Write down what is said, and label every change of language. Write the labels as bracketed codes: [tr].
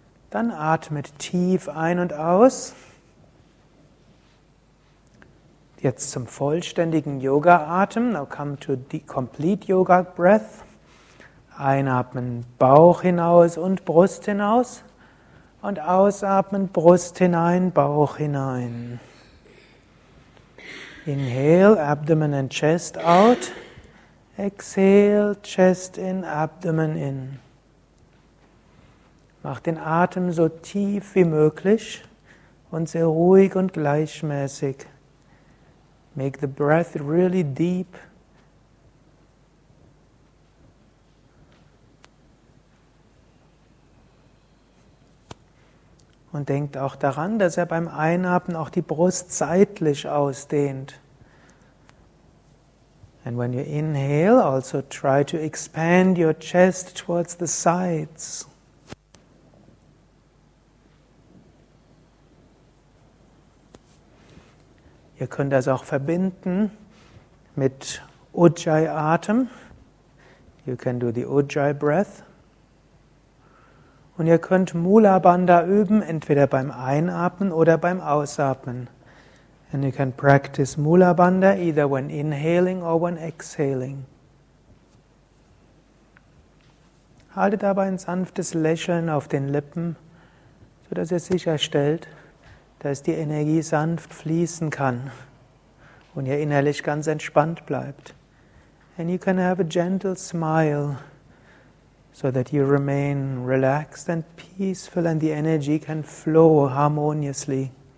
[de] Dann atmet tief ein und aus. Jetzt zum vollständigen Yoga-Atem. [en] Now come to the complete yoga breath. [de] Einatmen Bauch hinaus und Brust hinaus. Und ausatmen Brust hinein, Bauch hinein. [en] Inhale, abdomen and chest out. Exhale, chest in, abdomen in. [de] Mach den Atem so tief wie möglich und sehr ruhig und gleichmäßig. [en] Make the breath really deep. [de] Und denkt auch daran, dass er beim Einatmen auch die Brust seitlich ausdehnt. [en] And when you inhale, also try to expand your chest towards the sides. [de] Ihr könnt das auch verbinden mit Ujjayi-Atem. [en] You can do the Ujjayi breath. [de] Und ihr könnt Mula Bandha üben, entweder beim Einatmen oder beim Ausatmen. [en] And you can practice Mula Bandha either when inhaling or when exhaling. [de] Haltet dabei ein sanftes Lächeln auf den Lippen, sodass ihr sicherstellt, dass die Energie sanft fließen kann und ihr innerlich ganz entspannt bleibt. [en] And you can have a gentle smile so that you remain relaxed and peaceful and the energy can flow harmoniously.